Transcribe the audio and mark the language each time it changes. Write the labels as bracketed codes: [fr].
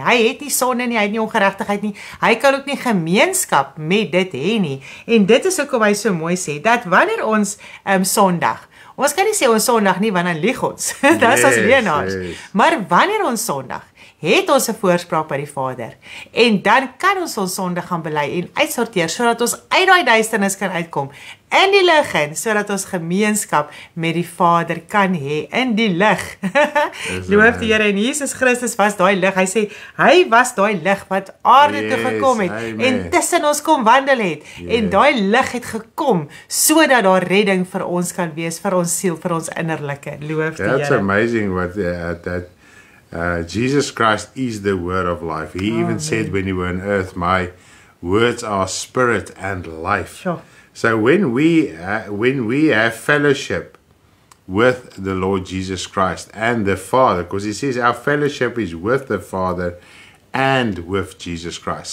[af] Hy het nie sonde nie, hy het nie ongeregtigheid nie. Hy kan ook nie gemeenskap met dit hê nie. En dit is hoekom hy so mooi sê, dat wanneer ons sondig, ons kan nie sê ons sondig nie, want dan lieg ons. Dis ons leenaars. Maar wanneer ons sondig, het ons 'n voorspraak by die Vader. En dan kan ons ons sonde gaan bely en uitsorteer, sodat ons uit daai duisternis kan uitkom. In die lig in, sodat ons gemeenskap met die Vader kan hê in die lig. Loof die Here en Jesus Christus was daai lig. Hy sê, hy was daai lig wat aarde toe gekom het en tussen ons kom wandel het. Yes. En daai lig het gekom, sodat daar redding vir ons kan wees, vir ons siel, vir ons innerlike. Loof die Here. [en] That's amazing what that Jesus Christ is the word of life. He even said when you were on earth, my words are spirit and life. Sure. So when we have fellowship with the Lord Jesus Christ and the Father, because he says our fellowship is with the Father and with Jesus Christ.